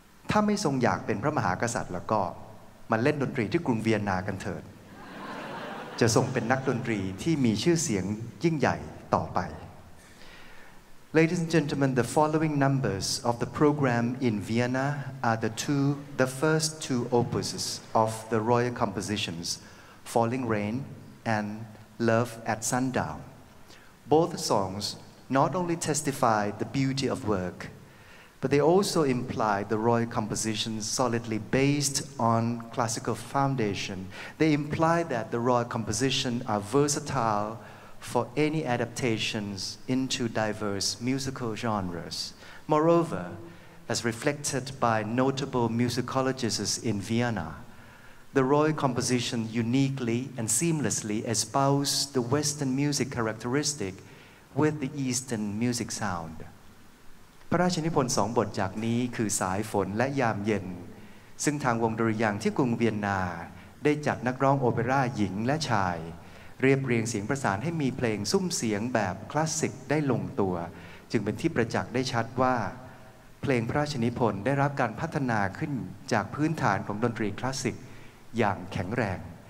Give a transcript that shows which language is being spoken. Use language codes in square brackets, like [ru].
[th] ถ้าไม่ทรงอยากเป็นพระมหากษัตริย์แล้วก็มาเล่นดนตรีที่กรุงเวียนนากันเถิดจะทรงเป็นนักดนตรีที่มีชื่อเสียงยิ่งใหญ่ต่อไป [en] Ladies and gentlemen, the following numbers of the program in Vienna are the first two opuses of the royal compositions Falling Rain and Love at Sundown. Both songs not only testify the beauty of work, but they also imply the royal compositions solidly based on classical foundation. They imply that the royal composition are versatile for any adaptations into diverse musical genres. Moreover, as reflected by notable musicologists in Vienna, the royal composition uniquely and seamlessly espouse the Western music characteristic with the Eastern music sound. [th] พระราชนิพนธ์สองบทจากนี้คือสายฝนและยามเย็นซึ่งทางวงดุริยางค์ที่กรุงเวียนนาได้จัดนักร้องโอเปร่าหญิงและชายเรียบเรียงเสียงประสานให้มีเพลงซุ้มเสียงแบบคลาสสิกได้ลงตัวจึงเป็นที่ประจักษ์ได้ชัดว่าเพลงพระราชนิพนธ์ได้รับการพัฒนาขึ้นจากพื้นฐานของดนตรีคลาสสิกอย่างแข็งแรง